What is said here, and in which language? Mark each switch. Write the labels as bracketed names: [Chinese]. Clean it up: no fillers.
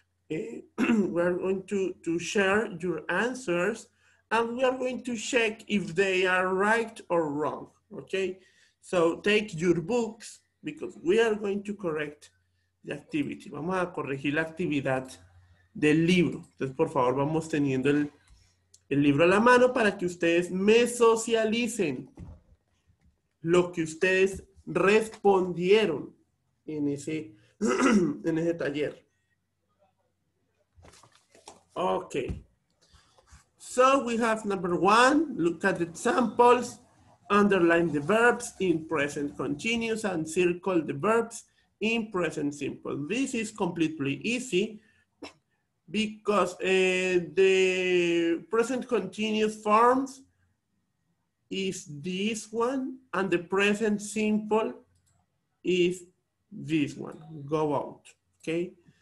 [English] we are going to share your answers. And we are going to check if they are right or wrong, okay? So take your books, because we are going to correct the activity. [Spanish] Vamos a corregir la actividad del libro. Entonces, por favor, vamos teniendo el libro a la mano para que ustedes me socialicen lo que ustedes respondieron en ese taller. [English] Okay. So we have number one, look at the examples, underline the verbs in present continuous and circle the verbs in present simple. This is completely easy because the present continuous forms is this one and the present simple is this one. Go out. Okay.